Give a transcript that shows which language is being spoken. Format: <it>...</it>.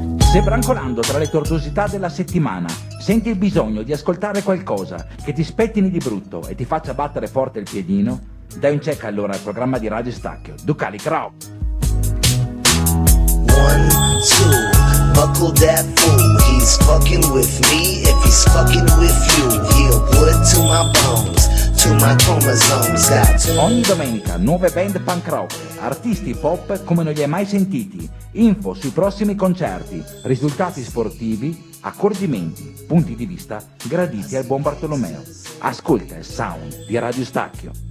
<it>Se brancolando tra le tortuosità della settimana senti il bisogno di ascoltare qualcosa che ti spettini di brutto e ti faccia battere forte il piedino, dai un check allora al programma di Radio Stacchio, Ducalic Rock.</it> <en>One, two, buckle that fool, he's fucking with me, if he's fucking with you, he'll put to my bones, to my chromosomes.</en> <it>Ogni domenica, nuove band punk rock, artisti pop come non li hai mai sentiti. Info sui prossimi concerti, risultati sportivi, accorgimenti, punti di vista graditi al buon Bartolomeo. Ascolta il sound di Radio Stacchio.</it>